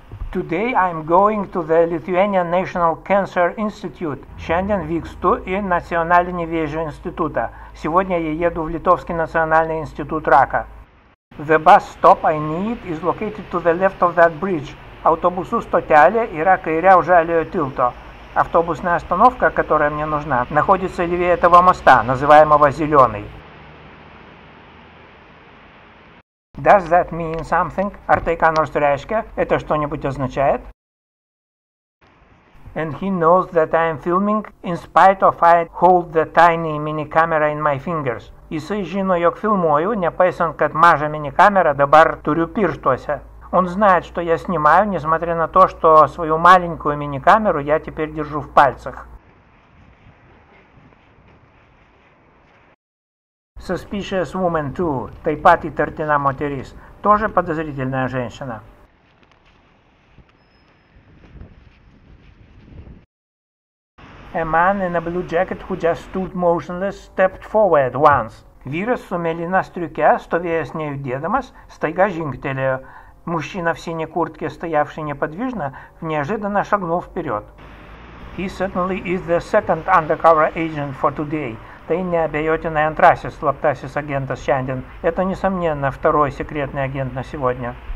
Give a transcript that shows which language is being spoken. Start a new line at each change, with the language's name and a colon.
English: Today I'm going to the Lithuanian National Cancer Institute.
Lithuanian: Šiandien vykstu į Nacionalinį vėžio institutą.
Russian: Сегодня я еду в Литовский национальный институт рака.
English: The bus stop I need is located to the left of that bridge.
Lithuanian: Автобусу стотелė yra kairiau žaliojo tilto.
Russian: Автобусная остановка, которая мне нужна, находится левее этого моста, называемого зеленый.
English: Does that mean something?
Lithuanian: Ar tai ką nors reiškia?
Russian: Это что-нибудь означает?
English: And he knows that I am filming in spite of I hold the tiny mini camera in my fingers.
Lithuanian: Jisai žino, jog filmuoju, nepaisant, kad mažą mini kamerą dabar turiu pirštuose.
Russian: Он знает, что я снимаю, несмотря на то, что свою маленькую мини камеру я теперь держу в пальцах.
English: Suspicious woman too,
Lithuanian: taip pat įtartina moteris,
Russian: тоже подозрительная женщина.
English: A man in a blue jacket who just stood motionless stepped forward once.
Lithuanian: Vyras su mėlyna striuke, stovėjęs nejudėdamas, staiga žingtelėjo.
Russian: Мужчина в синей куртке, стоявший неподвижно, неожиданно шагнул вперед.
English: He certainly is the second undercover agent for today.
Lithuanian: Tai neabejotinai antrasis slaptasis agentas šiandien.
Russian: Это, несомненно, второй секретный агент на сегодня.